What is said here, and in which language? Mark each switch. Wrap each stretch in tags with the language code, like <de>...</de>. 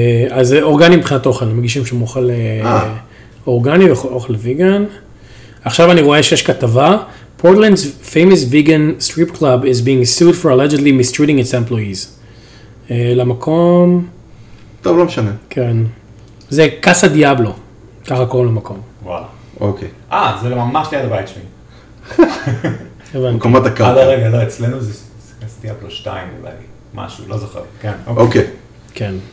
<he>אז אורגני מבחינת אוכל, מגישים שם אוכל אורגני ואוכל ויגן. עכשיו אני רואה שיש כתבה.</he> <en>Portland's famous vegan strip club is being sued for allegedly mistreating its employees.</en> <he>למקום... טוב, לא משנה. כן. זה קאסה דיאבלו, ככה קוראים למקום. וואלה. אוקיי. זה ממש ליד הבית שלי. הבנתי. מקומת הקרקע. עד הרגע, לא, אצלנו זה קאסה דיאבלו 2 אולי, משהו, לא זוכר. כן, אוקיי. כן.</he>